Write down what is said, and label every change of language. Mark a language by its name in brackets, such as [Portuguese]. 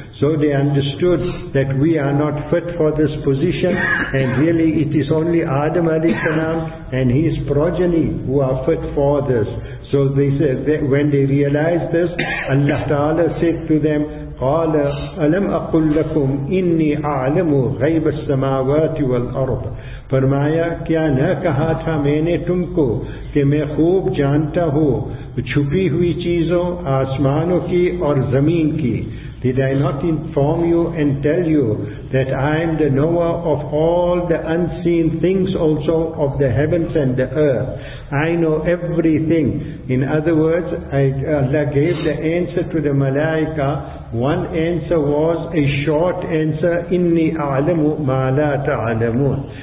[English] So they understood that we are not fit for this position, and really it is only Adam alayhi salam and his progeny who are fit for this. So they said that when they realized this, Allah Ta'ala said to them, [Arabic] قَالَ أَلَمْ أَقُلْ لَكُمْ إِنِّي أَعْلَمُ غَيْبَ السَّمَاوَاتِ وَالْأَرْضِ. [Urdu] فرمایا کیا نہ کہا تھا میں نے تم کو کہ میں خوب جانتا ہوں چھپی ہوئی چیزوں آسمانوں کی اور زمین کی. [English] Did I not inform you and tell you that I am the knower of all the unseen things also of the heavens and the earth? I know everything. In other words, Allah gave the answer to the malaika. One answer was a short answer, [Arabic] إِنِّي أَعْلَمُ مَا لَا تَعْلَمُونَ.